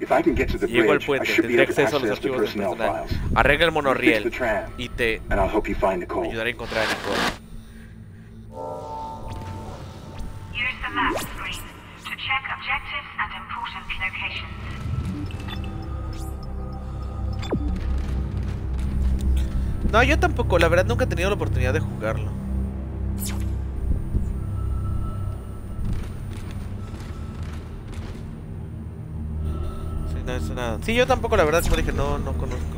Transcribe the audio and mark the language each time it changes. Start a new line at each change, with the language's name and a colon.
English: If I can get to the bridge, I should be able to access the personnel files.
Spanish: Arregla el monorriel y te ayudaré a encontrar a Nicole.
English: Here's the map screen to check objectives and important locations.
Spanish: No, yo tampoco, la verdad nunca he tenido la oportunidad de jugarlo. Sí, no, eso nada. Sí, yo tampoco, la verdad, como dije, no conozco.